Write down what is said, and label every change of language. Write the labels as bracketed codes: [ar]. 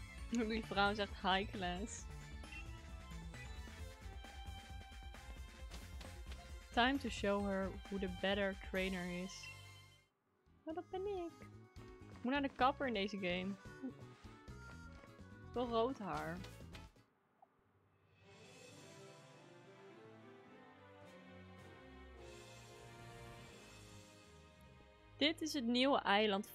[nl] Die vrouw zegt [en] high class. Time to show her who the better trainer is. [nl] Oh, dat ben ik. Ik moet naar de kapper in deze game. Ik wil rood haar. Dit is het nieuwe eiland.